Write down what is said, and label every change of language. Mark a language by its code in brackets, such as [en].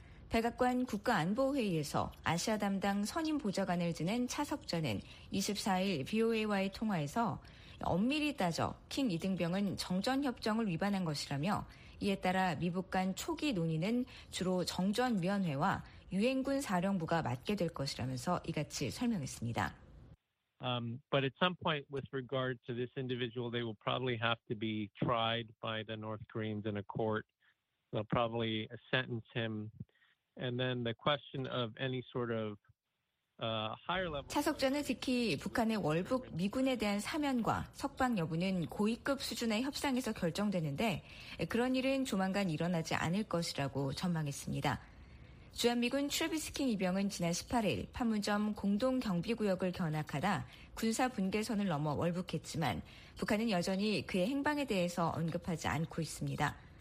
[ko] 백악관 국가안보회의에서 아시아 담당 선임 보좌관을 지낸 차석전은 24일 BOA와의 통화에서 엄밀히 따져 킹 이등병은 정전협정을 위반한 것이라며 이에 따라 미북 간 초기 논의는 주로 정전위원회와 유엔군 사령부가 맡게 될 것이라면서 이같이 설명했습니다. [en] But at some point with regard to this individual, they will probably have to be tried by the North Koreans in a court. They'll probably sentence him. And then the question of any sort of higher level. [ko] 차석전은 특히 북한의 월북 미군에 대한 사면과 석방 여부는 고위급 수준의 협상에서 결정되는데 그런 일은 조만간 일어나지 않을 것이라고 전망했습니다. 주한미군 트래비스킹 이병은 지난 18일 판문점 공동경비구역을 견학하다 군사분계선을 넘어 월북했지만 북한은 여전히 그의 행방에 대해서 언급하지 않고 있습니다.